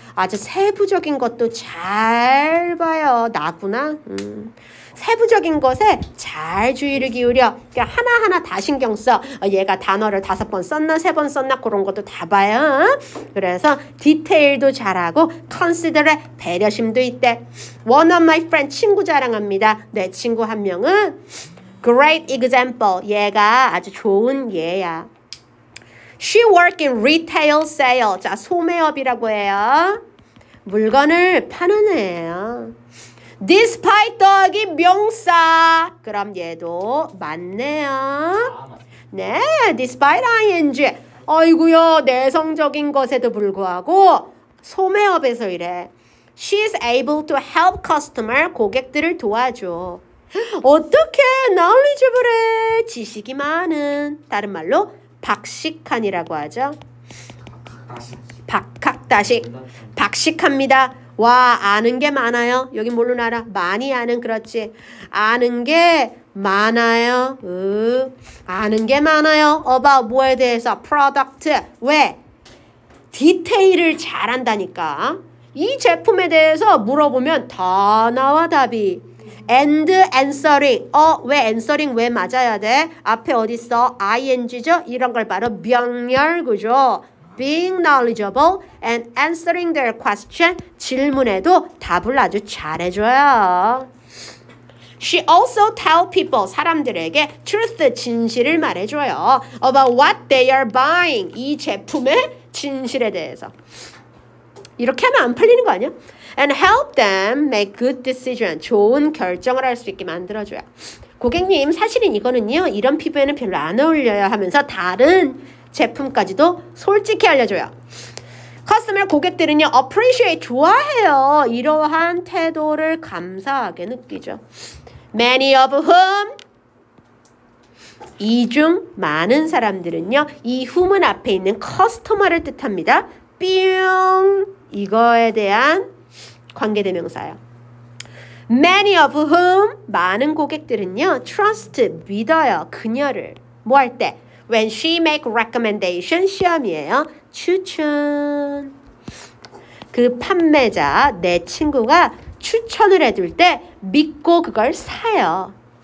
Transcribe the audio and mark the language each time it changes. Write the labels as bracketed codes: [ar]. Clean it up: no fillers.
[ko] 아주 세부적인 것도 잘 봐요. 나구나. 세부적인 것에 잘 주의를 기울여. 그러니까 하나하나 다 신경 써. 얘가 단어를 5번 썼나 3번 썼나 그런 것도 다 봐요. 그래서 디테일도 잘하고 considerate 배려심도 있대. [en] One of my friend [ko] 친구 자랑합니다. 내 친구 한 명은 [en] great example. [ko] 얘가 아주 좋은 얘야. [en] She work in retail sale. [ko] 자, 소매업이라고 해요. 물건을 파는 애예요. despite 더하기 명사. 그럼 얘도 맞네요. 네, despite ing. 아이고요, 내성적인 것에도 불구하고 소매업에서 이래. [en] She's able to help customer, [ko] 고객들을 도와줘. 어떻게 knowledgeable해, 지식이 많은. 다른 말로 박식한이라고 하죠. 박학다식, 박식합니다. 와, 아는 게 많아요. 여기 뭘로 알아? 많이 아는, 그렇지. 아는 게 많아요. 아는 게 많아요. about 뭐에 대해서? product. 왜? 디테일을 잘한다니까. 이 제품에 대해서 물어보면 다 나와, 답이. [en] and answering. [ko] 왜 answering 왜 맞아야 돼? 앞에 어디 있어? ing죠? 이런 걸 바로 명열구죠. [en] being knowledgeable and answering their question, [ko] 질문에도 답을 아주 잘해줘요. [en] She also tell people, [ko] 사람들에게 [en] truth, [ko] 진실을 말해줘요. [en] about what they are buying, [ko] 이 제품의 진실에 대해서. 이렇게 하면 안 풀리는 거 아니야? [en] and help them make good decision, [ko] 좋은 결정을 할 수 있게 만들어줘요. 고객님, 사실은 이거는요, 이런 피부에는 별로 안 어울려요 하면서 다른 제품까지도 솔직히 알려줘요. 커스터머, 고객들은요, appreciate, 좋아해요. 이러한 태도를 감사하게 느끼죠. [en] Many of whom, [ko] 이 중 많은 사람들은요, 이 whom은 앞에 있는 커스터머를 뜻합니다. 뿅, 이거에 대한 관계대명사예요. [en] Many of whom, [ko] 많은 고객들은요, trust, 믿어요, 그녀를. 뭐 할 때? [en] When she make recommendation, [ko] 시험이에요. 추천. 그 판매자, 내 친구가 추천을 해줄 때 믿고 그걸 사요.